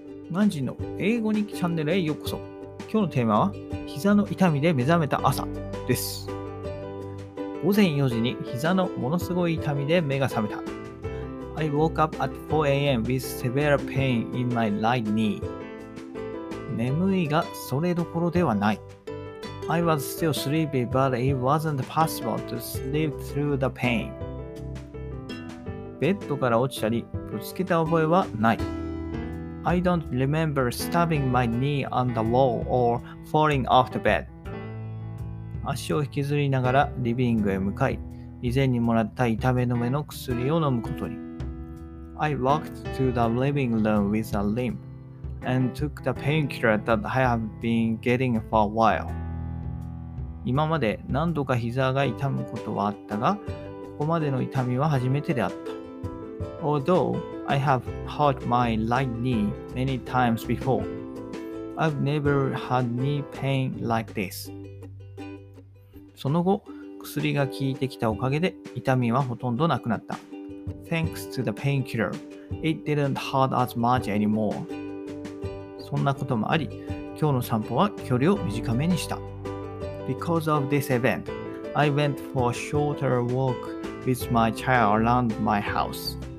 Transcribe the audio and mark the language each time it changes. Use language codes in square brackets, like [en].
[ja] マンジンの英語日記チャンネルへようこそ。今日のテーマは膝の痛みで目覚めた朝です。午前4時に膝のものすごい痛みで目が覚めた。 [en] I woke up at 4am with severe pain in my right knee。 [ja] 眠いがそれどころではない。 [en] I was still sleepy but it wasn't possible to sleep through the pain。 [ja] ベッドから落ちたりぶつけた覚えはない。 [en] I don't remember stabbing my knee on the wall or falling off the bed。 [ja] 足を引きずりながらリビングへ向かい、以前にもらった痛め止めの薬を飲むことに。 [en] I walked to the living room with a limp and took the painkiller that I have been getting for a while。 [ja] 今まで何度か膝が痛むことはあったが、ここまでの痛みは初めてであった。 [en] Although I have hurt my right knee many times before, I've never had knee pain like this. [ja] その後、薬が効いてきたおかげで痛みはほとんどなくなった。 [en] Thanks to the painkiller, it didn't hurt as much anymore. [ja] そんなこともあり、今日の散歩は距離を短めにした。 [en] Because of this event, I went for a shorter walk with my child around my house.